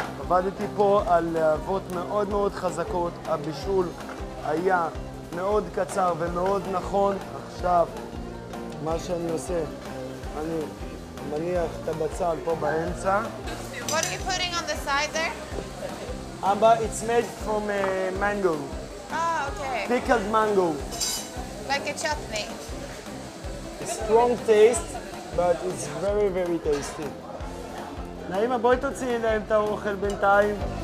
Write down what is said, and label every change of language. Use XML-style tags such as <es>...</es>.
<he>עבדתי פה על להבות מאוד מאוד חזקות. הבישול היה מאוד קצר ומאוד נכון. עכשיו, מה שאני עושה, אני מניח את הבצל פה באמצע.</he> <en>What are you putting on the side there? Amba, it's made from mango. Okay. Pickled mango. Like a chutney. Strong taste, but it's very, very tasty.</en> <he>נעימה, בואי תוציאי להם את האוכל בינתיים.</he>